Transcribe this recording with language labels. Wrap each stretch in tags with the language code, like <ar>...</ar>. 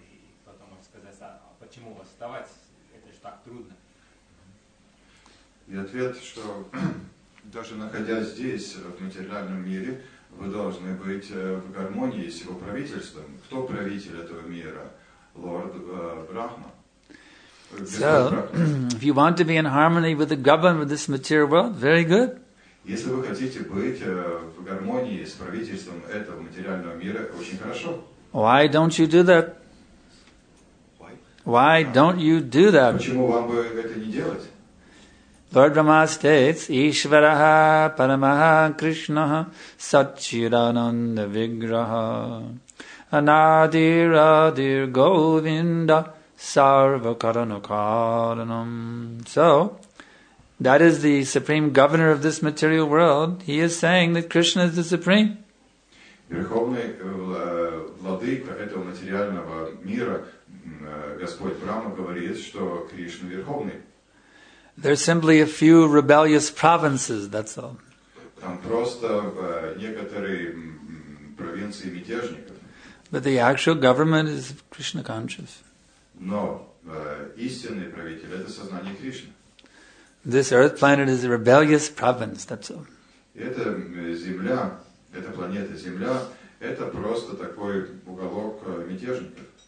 <ru>И кто-то может сказать, а почему восставать? Это же так трудно. И ответ, что даже находясь здесь, в материальном мире, вы должны быть в гармонии с его правительством. Кто правитель этого мира? Лорд Брахма.</ru> <en>So, if you want to be in harmony with the government of this material world, very good.</en> <ru>Если вы хотите быть в гармонии с правительством этого материального мира, очень хорошо.</ru> <en>Why don't you do that? Why don't you do that?</en> <ru>Почему вам бы это не делать?</ru> <sa>Lord Brahma states, Ishvaraha Paramaha Krishnaha Satchidananda Vigraha Anadir Adir Govinda Sarvakaranakaranam.</sa> <en>So, that is the supreme governor of this material world. He is saying that Krishna is the supreme.</en> <ru>Верховный владыка этого материального мира Господь Брама говорит, что Кришна верховный.</ru> <en>There's simply a few rebellious provinces, that's all.</en> <ru>Там просто некоторые провинции мятежников.</ru> <en>But the actual government is Krishna conscious.</en> <ru>Но истинный правитель это сознание Кришны.</ru> <en>This earth planet is a rebellious province, that's all.</en> <ru>Это земля, эта планета Земля, это просто такой уголок мятежников.</ru>